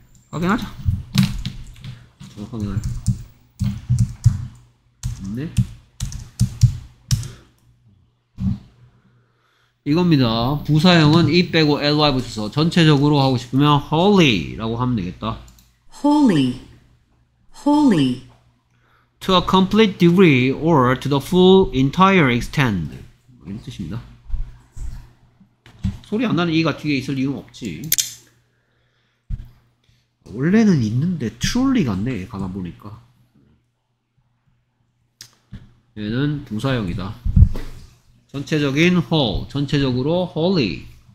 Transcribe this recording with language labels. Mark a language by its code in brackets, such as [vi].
[ko] 확인하자. 어, 확인하자. 네. 이겁니다. 부사형은 이 빼고 ly 붙여서 전체적으로 하고 싶으면 holy라고 하면 되겠다. holy, holy. [en] to a complete degree or to the full entire extent. [ko] 이런 뜻입니다. 소리 안 나는 이가 뒤에 있을 이유는 없지. 원래는 있는데 truly 같네. 가만 보니까. 얘는 부사형이다. 전체적인 whole, 전체적으로 holy.